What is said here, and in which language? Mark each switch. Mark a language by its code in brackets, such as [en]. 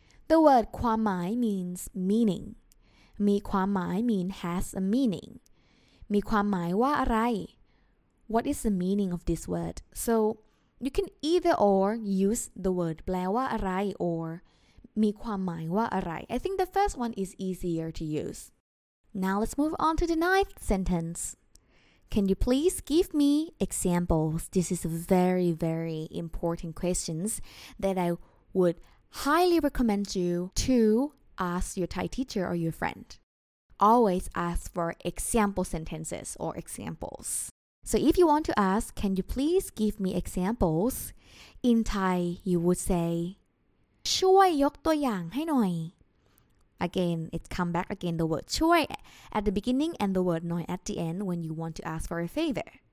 [en] The word ความหมาย means meaning. มีความหมาย mean has a meaning [th] มีความหมายว่าอะไร [en] What is the meaning of this word? So you can either or use the word [th] แปลว่าอะไร [en] or [th] มีความหมายว่าอะไร [en] I think the first one is easier to use. Now let's move on to the ninth sentence. Can you please give me examples? This is a very, very important questions that I would highly recommend you to ask your Thai teacher or your friend. Always ask for example sentences or examples. So if you want to ask, can you please give me examples? In Thai, you would say, [th] ช่วยยกตัวอย่างให้หน่อย. [en] Again, it's come back again, the word ช่วย at the beginning and the word หน่อย at the end when you want to ask for a favor.